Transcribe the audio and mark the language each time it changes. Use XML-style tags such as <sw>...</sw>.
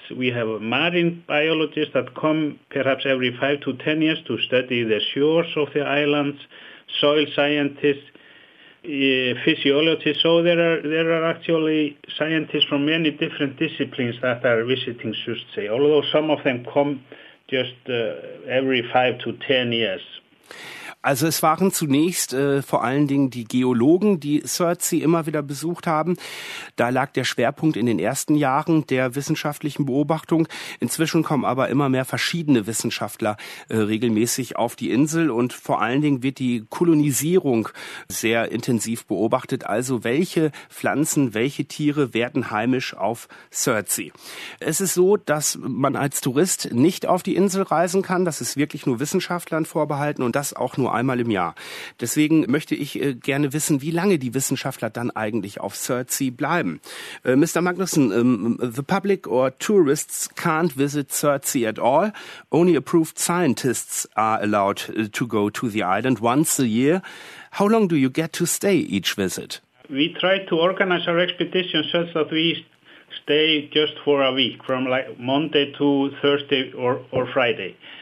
<en>We have a marine biologist that come perhaps every 5 to 10 years to study the shores of the islands, soil scientists, physiologists. So there are actually scientists from many different disciplines that are visiting Surtsey, although some of them come just every 5 to 10 years.</en> <de>Also es waren zunächst vor allen Dingen die Geologen, die Surtsey immer wieder besucht haben. Da lag der Schwerpunkt in den ersten Jahren der wissenschaftlichen Beobachtung. Inzwischen kommen aber immer mehr verschiedene Wissenschaftler regelmäßig auf die Insel. Und vor allen Dingen wird die Kolonisierung sehr intensiv beobachtet. Also welche Pflanzen, welche Tiere werden heimisch auf Surtsey? Es ist so, dass man als Tourist nicht auf die Insel reisen kann. Das ist wirklich nur Wissenschaftlern vorbehalten und das auch nur einmal im Jahr. Deswegen möchte ich gerne wissen, wie lange die Wissenschaftler dann eigentlich auf Surtsey bleiben.</de> <en>Mr. Magnusson, the public or tourists can't visit Surtsey at all. Only approved scientists are allowed to go to the island once a year. How long do you get to stay each visit? We try to organize our expedition so that we stay just for a week, from like Monday to Thursday or Friday.</en>